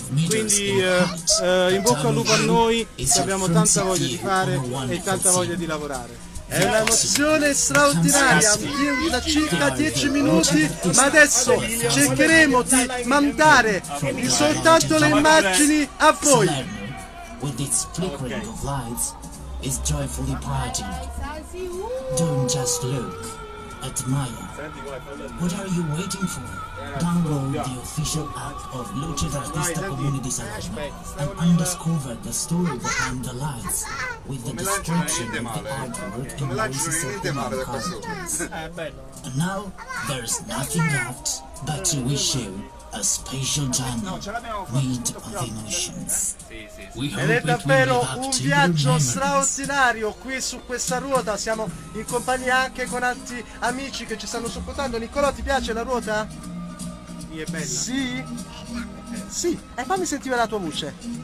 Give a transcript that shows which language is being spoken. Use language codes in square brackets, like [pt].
[it] Quindi in bocca al lupo a noi, che abbiamo tanta voglia di fare e tanta voglia di lavorare. È un'emozione straordinaria, da circa 10 minuti, ma adesso cercheremo di mandare soltanto le immagini a voi. [en] With its flickering of lights, is joyfully parting. Don't just look, admire. What are you waiting for? Download the official app of Luce d'Artista Community Salerno and undiscover the story behind the lights with the description of the artwork and voices of the main characters. And now, there's nothing left but to wish you a special journey made of emotions. [it] Ed è davvero un viaggio straordinario qui su questa ruota. Siamo in compagnia anche con altri amici che ci stanno supportando. Niccolò, ti piace la ruota? È bella. Sì? Sì, e fammi sentire la tua voce.